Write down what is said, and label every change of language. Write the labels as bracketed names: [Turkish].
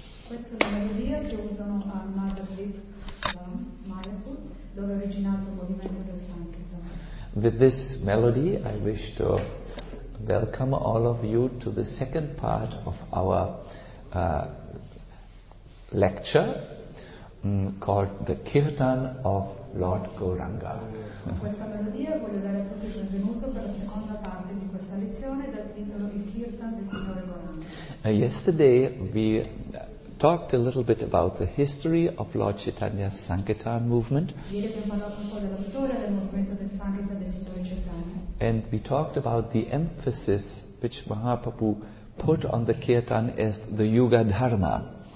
[English] With this melody, I wish to welcome all of you to the second part of our lecture called the Kirtan of Lord Gauranga. [Italian] Questa melodia voglio dare a tutti il benvenuto per la seconda parte di questa lezione dal titolo Il Kirtan del Signore Gauranga. [English] Yesterday we talked a little bit about the history of Lord Chaitanya's Sankirtan movement. [Italian] Ieri abbiamo parlato un po' della storia del movimento del Sankirtan del Signore Chaitanya. [English] And we talked about the emphasis which Mahaprabhu put on the Kirtan as the Yuga Dharma.